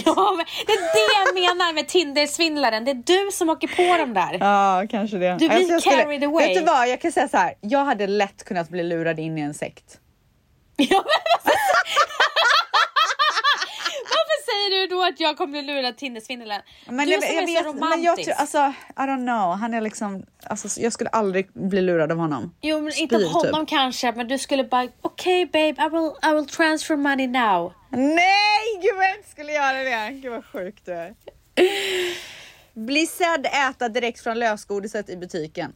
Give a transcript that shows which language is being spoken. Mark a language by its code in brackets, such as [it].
[sv] Ja, men det är det jag menar med Tinder-svindlaren. Det är du som åker på dem där. Ja, kanske det. Du blir [en] carried away. [sv] Vet du vad, jag kan säga så här. Jag hade lätt kunnat bli lurad in i en sekt. Varför säger du då att jag kommer att lura Tinder-svindeln? Men du jag vet, men jag tror, alltså, [en] I don't know. [sv] Han är liksom, alltså, jag skulle aldrig bli lurad av honom. Jo, men inte av honom kanske, men du skulle bara, okej, [en] babe, I will transfer money now. [sv] Nej, gud, vem skulle göra det? Gud, vad sjukt du är. Bli sedd äta direkt från lösgodiset i butiken.